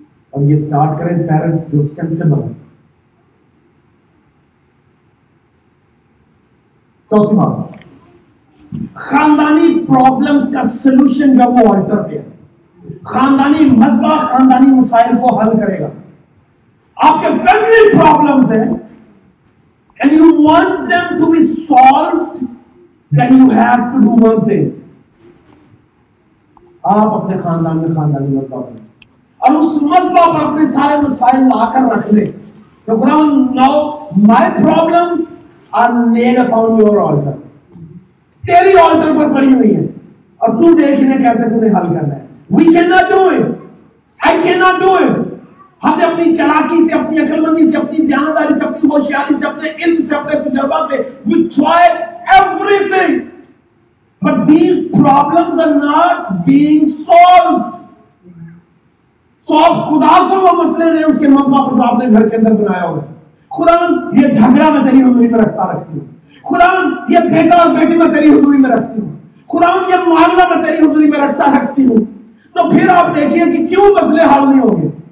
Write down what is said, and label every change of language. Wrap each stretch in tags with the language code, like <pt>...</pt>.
<ur>اور یہ سٹارٹ کریں پیرنٹس جو سینسیبل ہیں. چوتھی بات, خاندانی پرابلمز کا سلوشن جب وہ آلٹر پہ ہے, خاندانی مسئلہ خاندانی مسائل کو حل کرے گا. آپ کے فیملی پرابلمز ہیں</ur> <en>and you want them to be solved, then you have to do one thing.</en> <ur>آپ اپنے خاندان میں خاندانی مسئلہ پر اور اس مسئلہ پر اپنے سارے مسائل لا کر رکھ لیں, تو خدا</ur> <en>now my problems are laid upon your altar.</en> <ur>تیری آلٹر پر پڑی ہوئی ہے اور تو دیکھ لیں کیسے تمہیں حل کرنا ہے.</ur> <en>We cannot do it. I cannot do it.</en> <ur>ہم نے اپنی چلاکی سے, اپنی عقل مندی سے, اپنی دیانتداری سے, اپنی ہوشیاری سے, اپنے علم سے, اپنے تجربہ سے,</ur> <en>we try everything. But these problems are not being solved.</en> <ur>So اب خدا کو وہ مسئلے نے اس کے مسئلہ پر جو آپ نے گھر کے اندر بنایا ہوگا. خدا یہ جھگڑا میں تیری حضوری میں رکھتا رکھتی ہوں. خدا یہ بیٹا اور بیٹی میں تیری حضوری میں رکھتی ہوں. خدا یہ معاملہ میں تیری حضوری میں رکھتا رکھتی ہوں. تو پھر آپ دیکھیے کہ کیوں مسئلے حل نہیں ہوں گے.</ur>